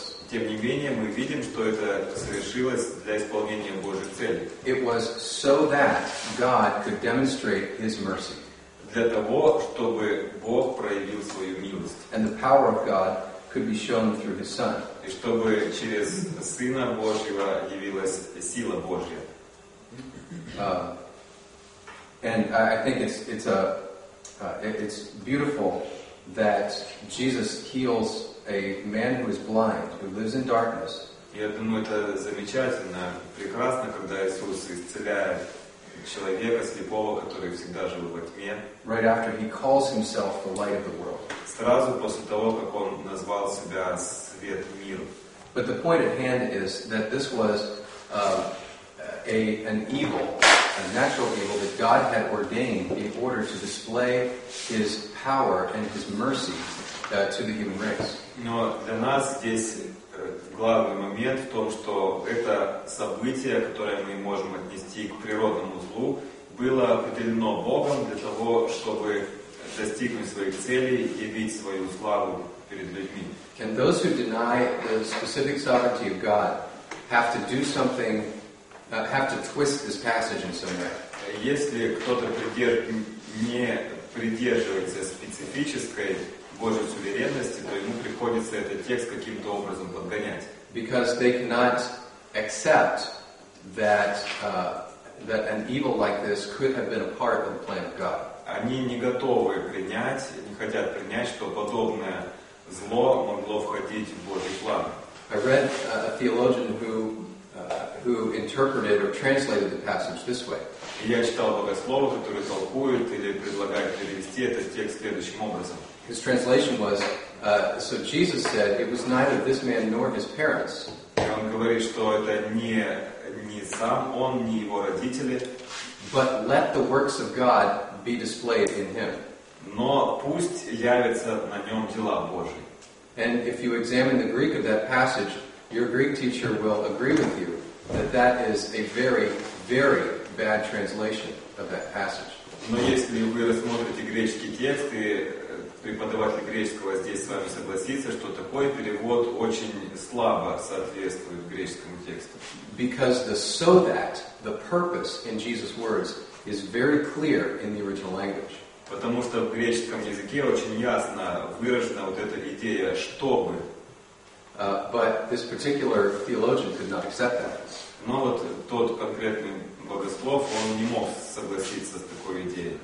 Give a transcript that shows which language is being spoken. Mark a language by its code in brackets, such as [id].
[ru] Тем не менее, мы видим, что это совершилось для исполнения Божьих целей. [en] It was so that God could demonstrate His mercy. [ru] Для того, чтобы Бог проявил свою милость. [en] And the power of God could be shown through His Son. [ru] И чтобы через Сына Божьего явилась сила Божья. [en] And I think it's beautiful that Jesus heals a man who is blind, who lives in darkness. [ru] Я думаю, это замечательно, прекрасно, когда Иисус исцеляет человека слепого, который всегда жил во тьме. [en] Right after he calls himself the light of the world. [ru] Сразу после того, как он назвал себя свет миру. [en] But the point at hand is that this was an evil. A natural evil that God had ordained in order to display His power and His mercy to the human race. [ru] Но для нас здесь главный момент в том, что это событие, которое мы можем отнести к природному злу, было определено Богом для того, чтобы достигнуть своих целей, явить свою славу перед людьми. [en] Can those who deny the specific sovereignty of God have to do something? Have to twist this passage in some way. [ru] Если кто-то не придерживается специфической Божьей суверенности, то ему приходится этот текст каким-то образом подгонять. [en] Because they cannot accept that that an evil like this could have been a part of the plan of God. [ru] Они не готовы принять, не хотят принять, что подобное зло могло входить в Божий план. [en] I read a theologian who interpreted or translated the passage this way. [ru] Я читал богослова, который толкует или предлагает перевести этот текст следующим образом. [en] His translation was, so Jesus said, it was neither this man nor his parents. [ru] И он говорит, что это не сам он, не его родители. [en] But let the works of God be displayed in him. [ru] Но пусть явятся на нем дела Божьи. [en] And if you examine the Greek of that passage, your Greek teacher will agree with you that is a very, very bad translation of that passage. [ru] Но если вы рассмотрите греческий текст, и преподаватель греческого здесь с вами согласится, что такой перевод очень слабо соответствует греческому тексту. [en] Because the so that, the purpose in Jesus' words, is very clear in the original language. [ru] Потому что в греческом языке очень ясно выражена вот эта идея «чтобы». [en] But this particular theologian could not accept that. [ru] Но вот тот конкретный богослов, он не мог согласиться с такой идеей.